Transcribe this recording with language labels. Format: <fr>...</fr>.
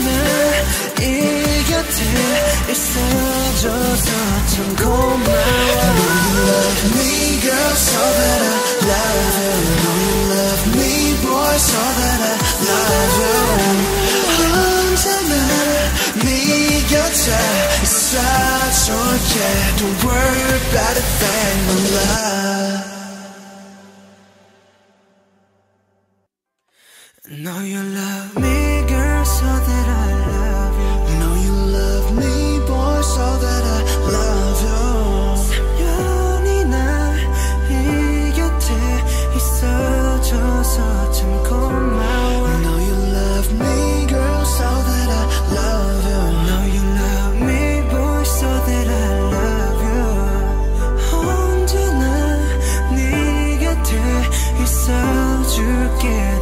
<ko>3년이나 이 곁에 있어줘서 참 고마워.</ko> <en>I know you love me, girl, so that I love you. I know you love me, boy, so that I love you.</en> <ko>언제나 네 곁에 있어줄게.</ko> <en>Don't worry about a thing, my love. Know you love me, girl, so that I love you. Know you love me, boy, so that I love you.</en> <ko>3년이나 이 곁에 있어줘서 참 고마워.</ko> <en>Know you love me, girl, so that I love you. Know you love me, boy, so that I love you.</en> <ko>언제나 네 곁에 있어줄게.</ko>